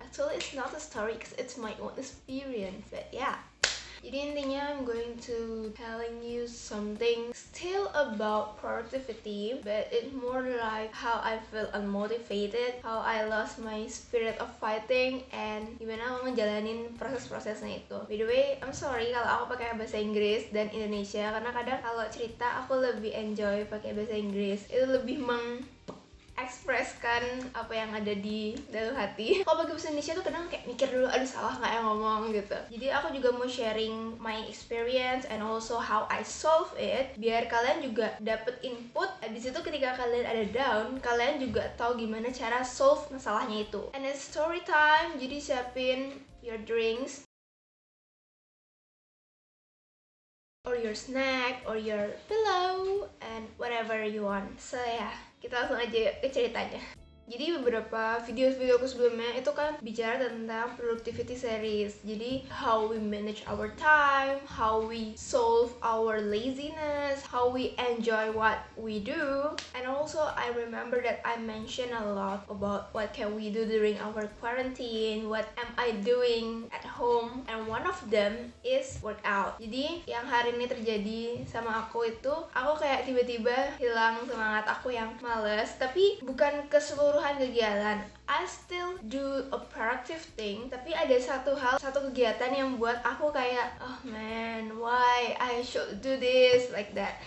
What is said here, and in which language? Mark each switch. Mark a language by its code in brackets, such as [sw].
[en] Actually it's not a story because it's my own experience, but yeah. [id] Jadi intinya [en] I'm going to telling you something still about productivity, but it's more like how I feel unmotivated, how I lost my spirit of fighting, and [id] gimana aku ngejalanin proses-prosesnya itu. [en] By the way, I'm sorry [id] kalau aku pakai bahasa Inggris dan Indonesia, karena kadang kalau cerita aku lebih enjoy pakai bahasa Inggris. Itu lebih mengekspreskan apa yang ada di dalam hati. Kalau bagi bahasa Indonesia tuh kadang kayak mikir dulu, aduh salah nggak yang ngomong gitu. Jadi aku juga mau [en] sharing my experience and also how I solve it, [id] biar kalian juga dapet [en] input. [id] Abis itu ketika kalian ada down, kalian juga tahu gimana cara solve masalahnya itu. [en] And it's story time, [id] jadi siapin [en] your drinks or your snack or your pillow and whatever you want. [id] So yeah, kita langsung aja ke ceritanya. Jadi beberapa video-video aku sebelumnya itu kan bicara tentang productivity series. [en] Jadi how we manage our time, how we solve our laziness, how we enjoy what we do. And also I remember that I mentioned a lot about what can we do during our quarantine, what am I doing at home. And one of them is workout. [id] Jadi yang hari ini terjadi sama aku itu, aku kayak tiba-tiba hilang semangat aku yang males. Tapi bukan keseluruhan kegiatan. [en] I still do a productive thing, [id] tapi ada satu hal, satu kegiatan yang buat aku kayak, [en] oh man, why I should do this like that.